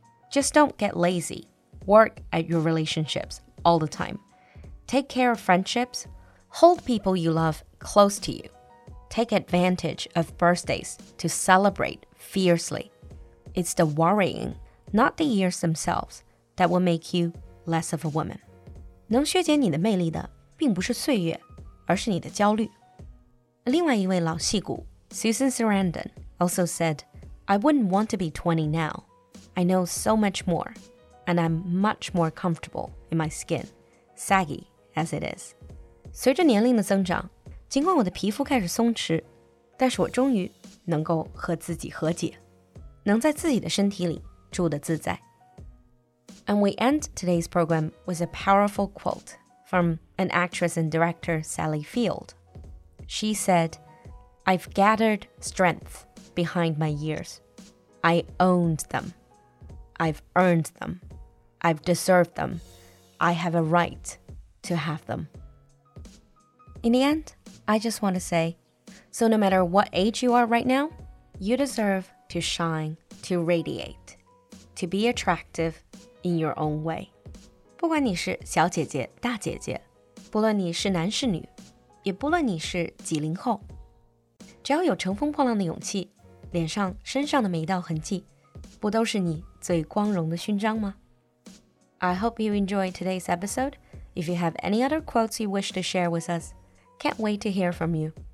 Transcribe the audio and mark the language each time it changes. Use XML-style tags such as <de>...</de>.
<en>Just don't get lazy. Work at your relationships all the time. Take care of friendships. Hold people you love close to you. Take advantage of birthdays to celebrate fiercely. It's the worrying, not the years themselves, that will make you less of a woman.</en> <zh>能削减你的魅力的并不是岁月，而是你的焦虑。另外一位老戏骨</zh> <en>Susan Sarandon also said,I wouldn't want to be 20 now. I know so much more, and I'm much more comfortable in my skin, saggy as it is.</en> <zh>随着年龄的增长，尽管我的皮肤开始松弛，但是我终于能够和自己和解，能在自己的身体里住得自在。</zh> <en>And we end today's program with a powerful quote from an actress and director, Sally Field. She said, I've gathered strength. Behind my years. I owned them. I've earned them. I've deserved them. I have a right to have them. In the end, I just want to say, so no matter what age you are right now, you deserve to shine, to radiate, to be attractive in your own way.</en> <zh>不管你是小姐姐、大姐姐，不论你是男是女，也不论你是几零后，只要有乘风破浪的勇气，脸上、身上的每一道痕迹，不都是你最光荣的勋章吗？</zh> <en>I hope you enjoy today's episode. If you have any other quotes you wish to share with us, can't wait to hear from you.</en>